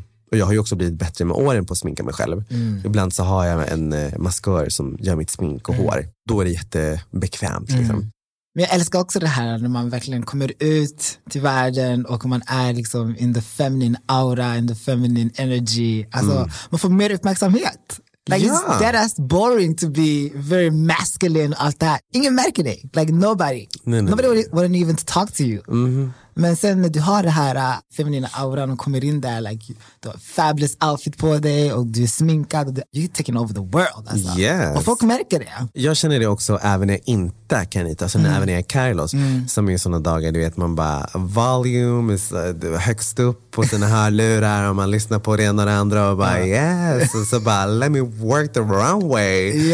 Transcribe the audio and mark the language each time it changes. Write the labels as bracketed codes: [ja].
[sv] Och jag har ju också blivit bättre med åren på att sminka mig själv. Ibland så har jag en maskör som gör mitt smink och hår. Då är det jättebekvämt liksom. Men jag älskar också det här när man verkligen kommer ut till världen och man är liksom [en] in the feminine aura, in the feminine energy. [sv] Alltså, man får mer uppmärksamhet. [en] Like, it's dead ass boring to be very masculine all that. [sv] Ingen märker dig. [en] Like, nobody. Nobody wanted even to talk to you. [sv] Men sen när du har det här feminina auran och kommer in där, like, du har [en] fabulous outfit [sv] på dig och du är sminkad, [en] you're taking over the world [sv] alltså. Yes. Och folk märker det. Jag känner det också även när jag inte är Kenita, alltså när även när jag är Carlos, som är sådana dagar, du vet, man bara volume is högst upp på sina hörlurar och man lyssnar på det ena och det andra och bara yes, och så bara [en] let me work the runway.